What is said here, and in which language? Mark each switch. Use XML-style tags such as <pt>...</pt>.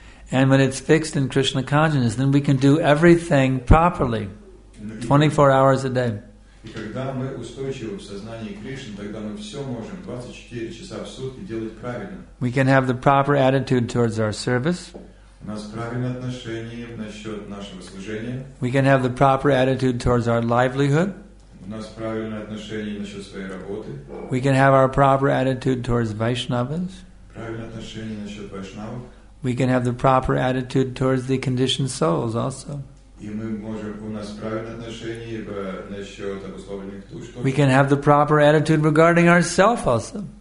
<en>And when it's fixed in Krishna consciousness, then we can do everything properly, 24 hours a day.</en> <ru>И когда мы устойчивы в сознании Кришны, тогда мы все можем 24 часа в сутки делать правильно.</ru> <en>We can have the proper attitude towards our service.</en> <ru>У нас правильное отношение насчет нашего служения.</ru> <en>We can have the proper attitude towards our livelihood.</en> <ru>У нас правильное отношение насчет своей работы.</ru> <en>We can have our proper attitude towards Vaishnavas.</en> <ru>Правильное отношение насчет Вайшнавов.</ru> <en>We can have the proper attitude towards the conditioned souls also. We can have the proper attitude regarding ourselves also.</en>